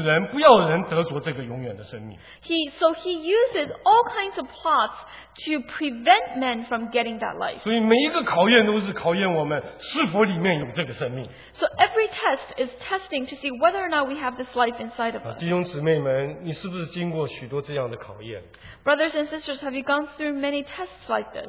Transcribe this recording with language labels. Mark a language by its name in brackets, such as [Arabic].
[Chinese] 所以他就用一切的诡计和方法呢, [English] so he uses all kinds of plots to prevent men from getting that life. [Chinese] 所以每一个考验都是考验我们是否里面有这个生命。 [English] So every test is testing to see whether or not we have this life inside of us. [Chinese] 弟兄姊妹们，你是不是经过许多这样的考验？ [English] Brothers and sisters, have you gone through many tests like this?